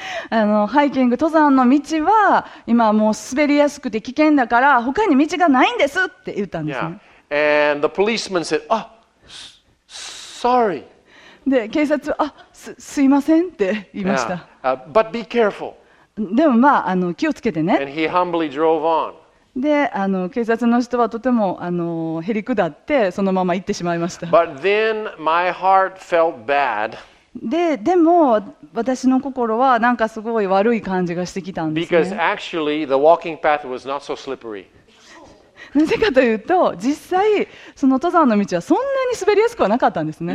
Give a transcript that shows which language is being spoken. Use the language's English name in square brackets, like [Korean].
[Japanese] ハイキング登山の道は今もう滑りやすくて危険だから他に道がないんですって言ったんですね。 [English] Yeah. And the policeman said, oh, sorry. [Japanese] で警察はすいませんって言いました。 [English] Yeah. But be careful. [Japanese] でもまあ気をつけてね。 [English] And he humbly drove on. [Japanese] で、あの警察の人はとてもあのへり下ってそのまま行ってしまいました。 [English] But then my heart felt bad. [Japanese] でも私の心はなんかすごい悪い感じがしてきたんですね。 [English] Because actually the walking path was not so slippery. [Japanese] なぜかというと実際その登山の道はそんなに滑りやすくはなかったんですね。